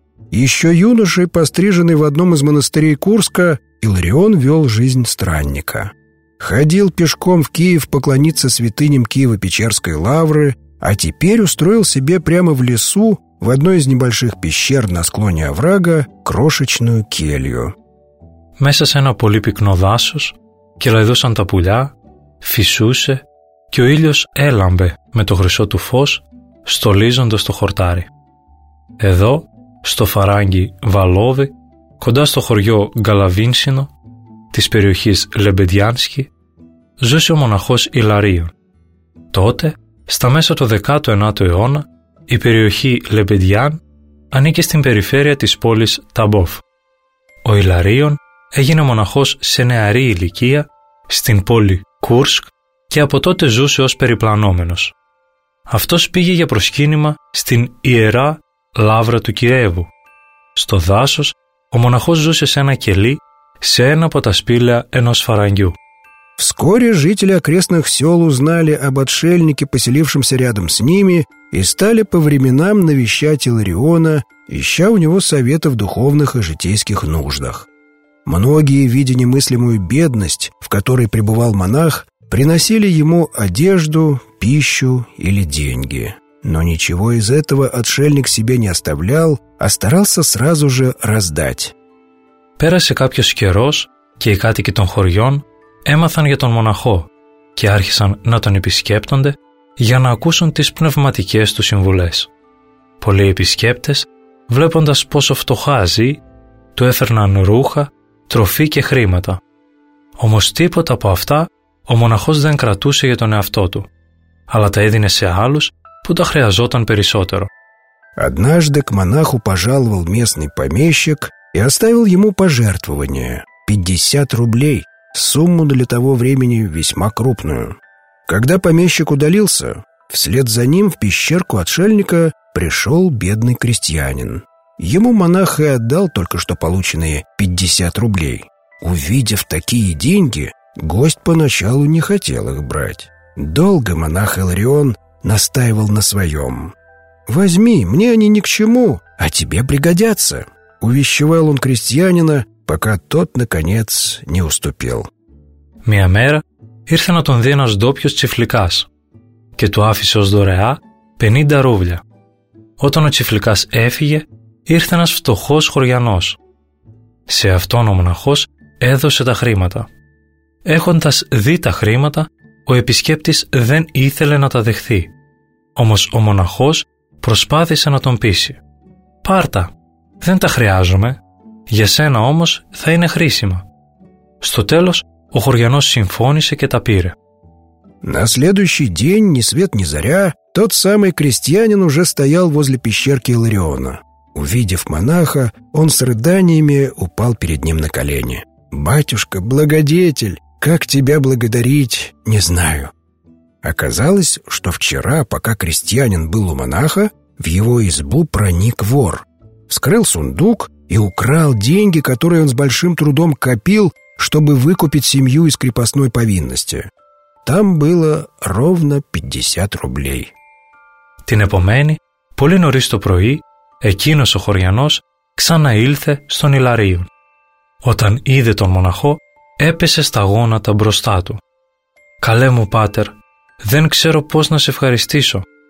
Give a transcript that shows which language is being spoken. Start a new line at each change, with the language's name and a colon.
Russian: Еще юношей, постриженный в одном из монастырей Курска, Илларион вел жизнь странника. Ходил пешком в Киев поклониться святыням Киево-Печерской лавры, а теперь устроил себе прямо в лесу, в одной из небольших пещер на склоне оврага, крошечную келью.
Greek: Меса с ένα πολύ пикно δάσος, κυλαϊδούσαν τα пуля, φυσούσε, και ο ήλιος έλαμπε με το χρυσό του φως, στολίζοντας το χορτάρι. Εδώ, στο φαράγγι Βαλόβι, κοντά στο χωριό Γκαλαβίνσινο, της περιοχής Λεμπεδιάνσκι, ζούσε ο μοναχός Ιλαρίων. Τότε, στα μέσα του 19ου αιώνα, η περιοχή Λεμπεδιάν ανήκε στην περιφέρεια της πόλης Ταμπόφ. Ο Ιλαρίων έγινε μοναχός σε νεαρή ηλικία στην πόλη Κούρσκ και από τότε ζούσε ως περιπλανόμενος. Αυτός πήγε για προσκύνημα στην Ιερά Λαύρα του Κιέβου. Στο δάσος, ο μοναχός ζούσε σε ένα κελί σε ένα από τα σπήλαια ενός φαραγγιού.
Russian: Вскоре жители окрестных сел узнали об отшельнике, поселившемся рядом с ними, и стали по временам навещать Илариона, ища у него совета в духовных и житейских нуждах. Многие, видя немыслимую бедность, в которой пребывал монах, приносили ему одежду, пищу или деньги. Но ничего из этого отшельник себе не оставлял, а старался сразу же раздать.
Greek: Пэрасе капьёс кэрос, кэ и катики тон хорьон έμαθαν για τον μοναχό και άρχισαν να τον επισκέπτονται για να ακούσουν τις πνευματικές του συμβουλές. Πολλοί επισκέπτες, βλέποντας πόσο φτωχά ζει, του έφερναν ρούχα, τροφή και χρήματα. Όμως τίποτα από αυτά ο μοναχός δεν κρατούσε για τον εαυτό του, αλλά τα έδινε σε άλλους που τα χρειαζόταν περισσότερο.
Russian: Однажды к монаху пожаловал местный помещик и оставил ему пожертвование 50 рублей. Сумму для того времени весьма крупную. Когда помещик удалился, вслед за ним в пещерку отшельника пришел бедный крестьянин. Ему монах и отдал только что полученные 50 рублей. Увидев такие деньги, гость поначалу не хотел их брать. Долго монах Илларион настаивал на своем. «Возьми, мне они ни к чему, а тебе пригодятся», увещевал он крестьянина, пока тот, наконец, не уступил.
Greek: Μια μέρα ήρθε να τον δει ένας ντόπιος τσιφλικάς και του άφησε ως δωρεά 50 ρούβλια. Όταν ο τσιφλικάς έφυγε, ήρθε ένας φτωχός χωριανός. Σε αυτόν ο μοναχός έδωσε τα χρήματα. Έχοντας δει τα χρήματα, ο επισκέπτης δεν ήθελε να τα δεχθεί. Όμως ο μοναχός προσπάθησε να τον πείσει. «Πάρτα, δεν τα χρειάζομαι. Για σένα όμως θα είναι χρήσιμα». Στο τέλος, ο χωριανός συμφώνησε και τα πήρε.
Russian: На следующий день, ни свет ни заря, тот самый крестьянин уже стоял возле пещерки Илариона. Увидев монаха, он с рыданиями упал перед ним на колени. «Батюшка, благодетель, Как тебя благодарить, не знаю. Оказалось, что вчера, пока крестьянин был у монаха, в его избу проник вор. Вскрыл сундук и украл деньги, которые он с большим трудом копил, чтобы выкупить семью из крепостной повинности. Там было ровно 50 рублей.
Greek: Την επομένη, πολύ νωρίς το πρωί, εκείνος ο χωριανός ξαναήλθε στον Ιλαρίον. Όταν είδε τον μοναχό, έπεσε στα γόνατα μπροστά του. «Καλέ μου, πάτερ, δεν ξέρω πώς να σε ευχαριστήσω».